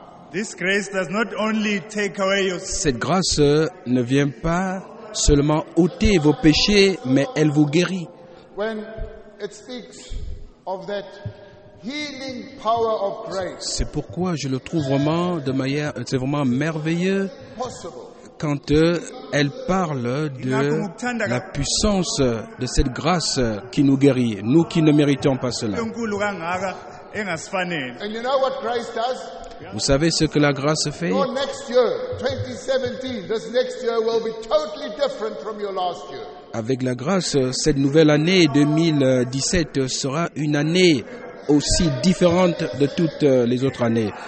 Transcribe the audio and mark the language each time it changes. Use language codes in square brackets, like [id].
[en] This grace does not only take away your... [fr] Cette grâce ne vient pas seulement ôter vos péchés, mais elle vous guérit. [en] When it speaks of that healing power of grace. [fr] C'est pourquoi je le trouve vraiment de manière, c'est vraiment merveilleux quand elle parle de la puissance de cette grâce qui nous guérit, nous qui ne méritons pas cela. [en] And you know what grace does? [fr] Vous savez ce que la grâce fait? [en] Your next year, 2017, this next year will be totally different from your last year. [fr] Avec la grâce, cette nouvelle année 2017 sera une année aussi différente de toutes les autres années.